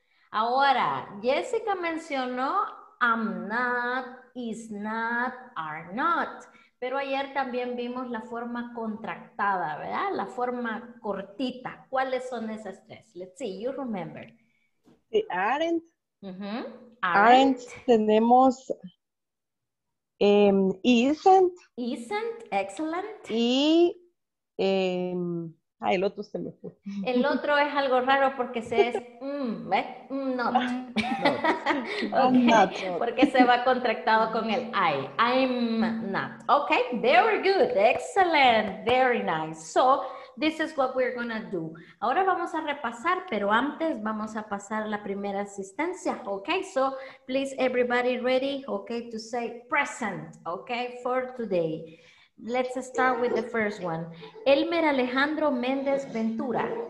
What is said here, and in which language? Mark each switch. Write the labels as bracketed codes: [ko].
[es] Ahora, Jessica mencionó I'm not, is not, are not. Pero ayer también vimos la forma contractada, ¿verdad? La forma cortita. ¿Cuáles son esas tres? [en] Let's see, you remember. The aren't. Uh-huh. Aren't. [es] Tenemos isn't. [en] Isn't, excellent. [es] Y el otro se me fue. El otro es algo raro porque se es not. [en] Not. [es] Porque se va contractado con el I. I'm not. [en] Okay, very good. Excellent. Very nice. So, this is what we're going to do. [es] Ahora vamos a repasar, pero antes vamos a pasar la primera asistencia. [en] Okay, so please everybody ready, okay, to say present, okay, for today. Let's start with the first one. Elmer Alejandro Méndez Ventura.